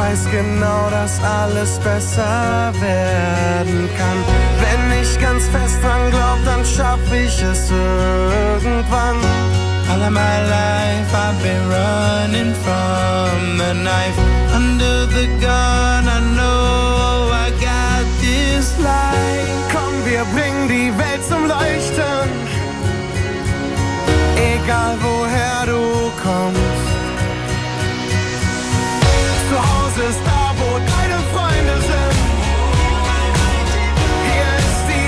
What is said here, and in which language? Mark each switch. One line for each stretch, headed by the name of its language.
German: Genau, dass alles besser werden kann. Wenn ich ganz fest dran glaub, dann schaff ich es irgendwann.
English: All of my life I've been running from the knife. Under the gun I know I got this life.
German: Komm, wir bringen die Welt zum Leuchten. Egal woher du kommst. Ist da, wo deine Freunde sind.